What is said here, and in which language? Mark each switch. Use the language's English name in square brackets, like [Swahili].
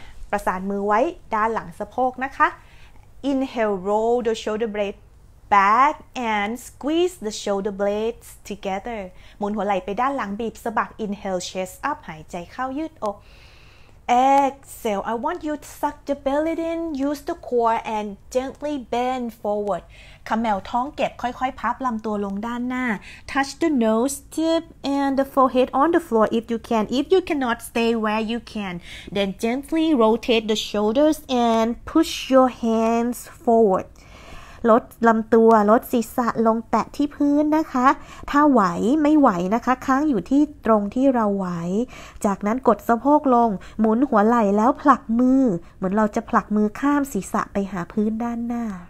[Thai] ประสานมือไว้ด้านหลังสะโพกนะคะ [English] Inhale, roll the shoulder blade back and squeeze the shoulder blades together. [Thai] หมุนหัวไหล่ไปด้านหลังบีบสะบัก [English] inhale chest up [Thai] หายใจเข้ายืดอก [English] Exhale. I want you to suck the belly in, use the core and gently bend forward. Camel [Thai] ท้องเก็บค่อยๆพับลำตัวลงด้านหน้า [English] Touch the nose tip and the forehead on the floor if you can. If you cannot, stay where you can. Then gently rotate the shoulders and push your hands forward. [Thai] ลดลำตัวลดศีรษะลงแตะที่พื้นนะคะถ้าไหวไม่ไหวนะคะค้างอยู่ที่ตรงที่เราไหวจากนั้นกดสะโพกลงหมุนหัวไหล่แล้วผลักมือเหมือนเราจะผลักมือข้ามศีรษะไปหาพื้นด้านหน้า